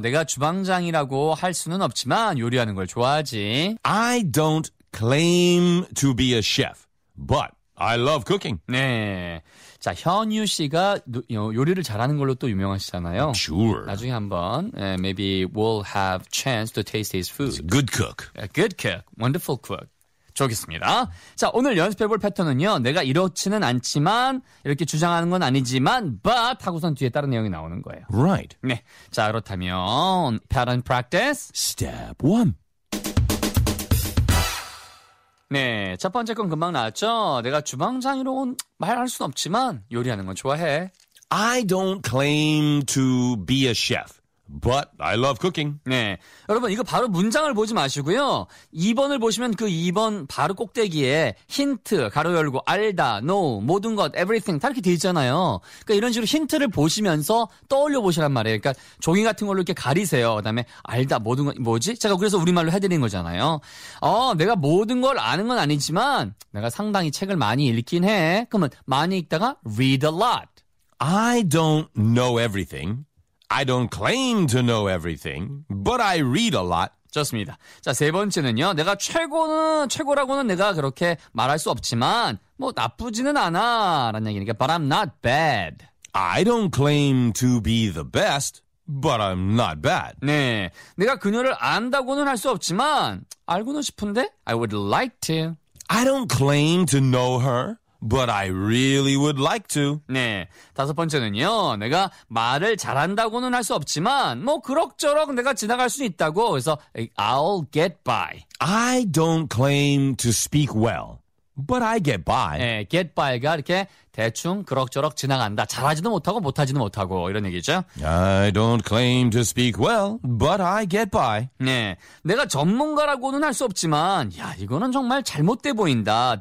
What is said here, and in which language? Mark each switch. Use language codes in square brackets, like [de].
[ko] 내가 주방장이라고 할 수는 없지만 요리하는 걸 좋아하지. [en] I don't claim to be a chef, but I love cooking. [ko] 네. 자, 현유 씨가 요리를 잘하는 걸로 또 유명하시잖아요. [en] Sure. [ko] 나중에 한번, [en] maybe we'll have chance to taste his food. Good cook. A good cook. Wonderful cook. [ko] 좋겠습니다. 자, 오늘 연습해볼 패턴은요. 내가 이렇지는 않지만, 이렇게 주장하는 건 아니지만, but 하고선 뒤에 다른 내용이 나오는 거예요. [en] Right. [ko] 네. 자, 그렇다면, [en] pattern practice. Step one. [ko] 네, 첫 번째 건 금방 나왔죠? 내가 주방장이로는 말할 순 없지만 요리하는 건 좋아해. [en] I don't claim to be a chef, but I love cooking. [ko] 네, 여러분 이거 바로 문장을 보지 마시고요. 2번을 보시면 그 2번 바로 꼭대기에 힌트, 가로 열고 알다, know, 모든 것, everything 다 이렇게 돼 있잖아요. 그러니까 이런 식으로 힌트를 보시면서 떠올려 보시란 말이에요. 그러니까 종이 같은 걸로 이렇게 가리세요. 그다음에 알다, 모든 것, 뭐지? 제가 그래서 우리말로 해드린 거잖아요. 내가 모든 걸 아는 건 아니지만 내가 상당히 책을 많이 읽긴 해. 그러면 많이 읽다가 [en] read a lot. I don't know everything. I don't claim to know everything, but I read a lot. [ko] 좋습니다. 자, 세 번째는요. 내가 최고라고는 내가 그렇게 말할 수 없지만, 뭐, 나쁘지는 않아. 라는 얘기니까, [en] but I'm not bad. I don't claim to be the best, but I'm not bad. [ko] 네. 내가 그녀를 안다고는 할 수 없지만, 알고는 싶은데, [en] I would like to. I don't claim to know her. But I really would like to. [ko] 네, 다섯 번째는요. 내가 말을 잘한다고는 할 수 없지만 뭐 그럭저럭 내가 지나갈 수 있다고. 그래서 [en] I'll get by. I don't claim to speak well, but I get by. [ko] 네, get by가 이렇게 대충 그럭저럭 지나간다. 잘하지도 못하고 못하지도 못하고 이런 얘기죠. [en] I don't claim to speak well, but I get by. [ko] 네, 내가 전문가라고는 할 수 없지만 야, 이거는 정말 잘못돼 보인다.